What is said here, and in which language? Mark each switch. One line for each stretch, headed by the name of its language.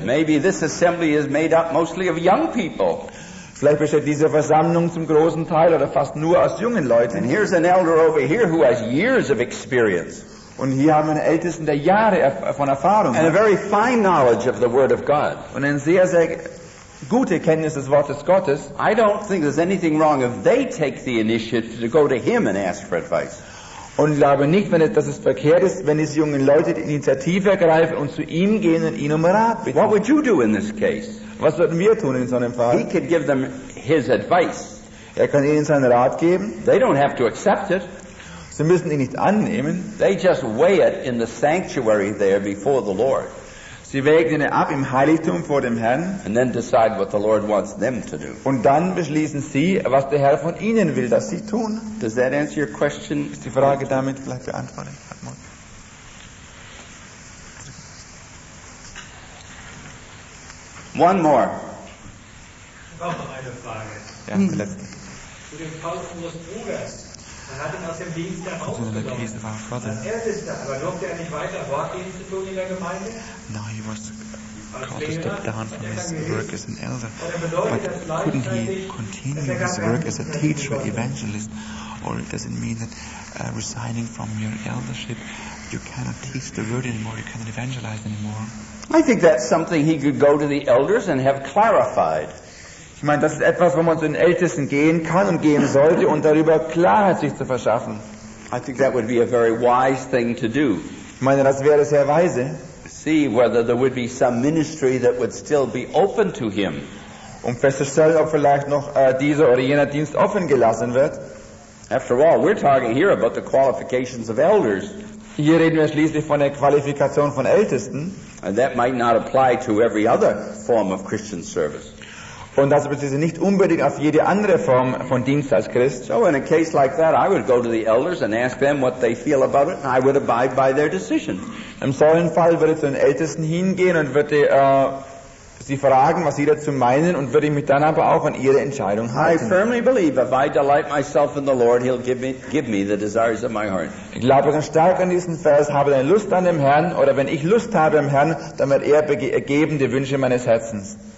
English: Maybe this assembly is made up mostly of young people.
German: Vielleicht besteht diese Versammlung zum großen Teil oder fast nur aus jungen Leuten.
English: And here's an elder over here who has years of experience.
German: Und hier haben wir einen Ältesten, der Jahre von Erfahrung hat.
English: And a very fine knowledge of the Word of God.
German: Und eine sehr, sehr gute Kenntnis des Wortes Gottes.
English: I don't think there's anything wrong if they take the initiative to go to him and ask for advice.
German: Und ich glaube nicht, wenn es, dass es verkehrt ist, wenn diese jungen Leute die Initiative ergreifen und zu ihm gehen und ihn um Rat bitten.
English: What would you do in this case?
German: Was würden wir tun in so einem Fall?
English: He could give them his advice.
German: Er kann ihnen seinen Rat geben.
English: They don't have to accept it.
German: Sie müssen ihn nicht annehmen.
English: They just weigh it in the sanctuary there before the Lord.
German: Sie wägen ihn ab im Heiligtum vor dem Herrn.
English: And then decide what the Lord wants them to do.
German: Und dann beschließen sie, was der Herr von ihnen will, dass sie tun.
English: Does that answer your question?
German: Ist die Frage damit vielleicht beantwortet? Ja,
English: yeah, one more.
German: Ich habe noch eine Frage. Ja, die letzte. Zu dem Paulus Bruders. Er hat ihn aus dem Dienst herausgenommen. Als Ältester, aber durfte er nicht weiter Wachdienste tun in der Gemeinde?
English: No, he was called to step down from his work as an elder. But couldn't he continue his work as a teacher, evangelist? Or does it mean that resigning from your eldership, you cannot teach the word anymore, you cannot evangelize anymore? I think that's something he could go to the elders and have clarified.
German: Ich meine, das ist etwas, wo man zu den Ältesten gehen kann und gehen sollte und darüber Klarheit sich zu verschaffen.
English: I think that would be a very wise thing to do.
German: Ich meine, das wäre sehr weise.
English: See whether there would be some ministry that would still be open to him.
German: Um festzustellen, ob vielleicht noch dieser oder jener Dienst offen gelassen wird.
English: After all, we're talking here about the qualifications of elders.
German: Hier reden wir schließlich von der Qualifikation von Ältesten.
English: And that might not apply to every other form of Christian service.
German: Und das beziehe nicht unbedingt auf jede andere Form von Dienst als Christ.
English: So in a case like that, I would go to the elders and ask them what they feel about it, and I would abide by their decision.
German: Im solchen Fall würde ich zu den Ältesten hingehen und würde sie fragen, was sie dazu meinen, und würde mich dann aber auch an ihre Entscheidung halten.
English: I firmly believe, if I delight myself in the Lord, he'll give me the desires of my heart.
German: Ich glaube ganz stark an diesen Vers, habe denn Lust an dem Herrn, oder wenn ich Lust habe am Herrn, dann wird er ergeben die Wünsche meines Herzens.